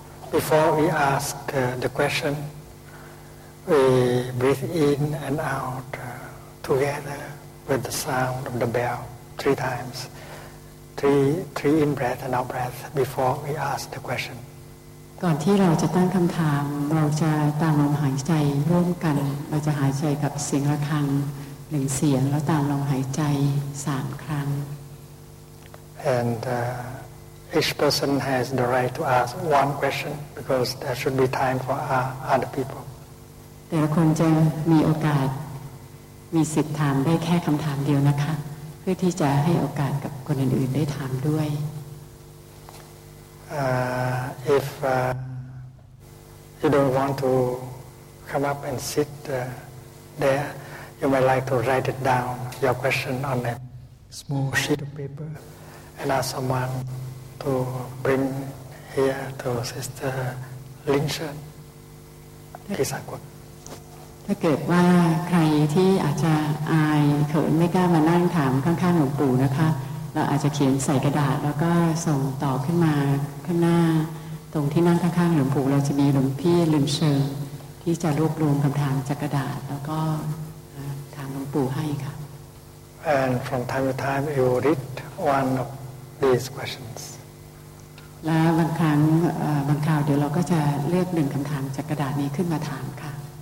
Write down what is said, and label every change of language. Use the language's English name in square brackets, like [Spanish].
[English] Before we ask the question we breathe in and out together with the sound of the bell three times three in breath and out breath before we ask the question [Thai] ก่อนที่เราจะตั้งคำถามเราจะตามลมหายใจร่วมกันเราจะหายใจกับเสียงระฆัง1เสียงแล้วตามลมหายใจ3ครั้ง [English] And each person has the right to ask one question because there should be time for other people [Thai] แต่ละคนจะมีโอกาสมีสิทธิ์ถามได้แค่คำถามเดียวนะคะเพื่อที่จะให้โอกาสกับคนอื่นๆได้ถามด้วย [English] If you don't want to come up and sit there, you might like to write it down, your question on a small sheet of paper, and ask someone to bring here to Sister Lin Shen, Kisakwan. If there is someone who might be shy, who might not want to ask the question of the Lord, [Thai] เราอาจจะเขียนใส่กระดาษแล้วก็ส่งต่อขึ้นมาข้างหน้าตรงที่นั่งข้างๆหลวงปู่เราจะมีหลวงพี่ลืมเชิงที่จะรวบรวมคำถามจากกระดาษแล้วก็ถามหลวงปู่ให้ค่ะ [English] And from time to time you read one of these questions [Thai] และบางครั้งบางคราวเดี๋ยวเราก็จะเลือกหนึ่งคำถามจากกระดาษนี้ขึ้นมาถามค่ะ